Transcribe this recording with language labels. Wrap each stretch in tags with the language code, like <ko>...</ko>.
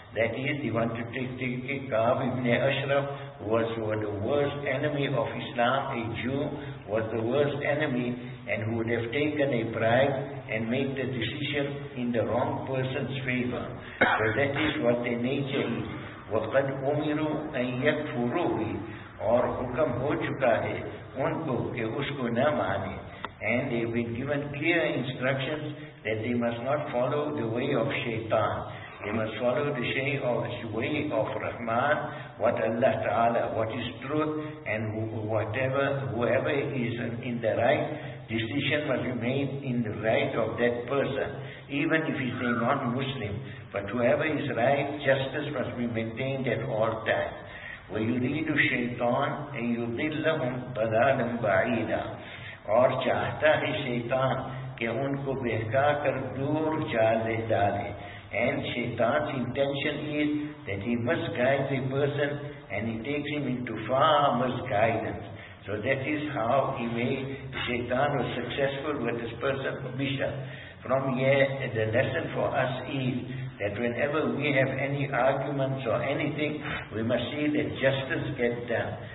<en>That is, they want to take Ka'ab ibn Ashraf, who was the worst enemy of Islam, a Jew, was the worst enemy, and who would have taken a bribe and made the decision in the wrong person's favor. So that is what their nature is.</en> <ar>وَقَدْ أُمِرُوا أَنْ يَكْفُرُوهِ</ar> <ur>اور حکم ہو چکا ہے ان کو کہ اس کو نہ مانے.</ur> <en>And they have been given clear instructions that they must not follow the way of shaitan. They must follow the way of Rahman, what Allah Ta'ala, what is truth, and whoever is in the right, decision must be made in the right of that person, even if he is a non-Muslim. But whoever is right, justice must be maintained at all times.</en> <ar>وَيُرِيدُ الشَّيْطَانَ أَن يُضِلَّهُمْ ضَلَالًا بَعِيدًا.</ar> <ur>اور چاہتا ہے شیطان کہ ان کو بہکا کر دور چالے ڈالے.</ur> <en>And شیطان's intention is that he misguides a person and he takes him into far misguidance. So that is how شیطان was successful with this person, Bishop. From here, the lesson for us is that whenever we have any arguments or anything, we must see that justice get done.</en>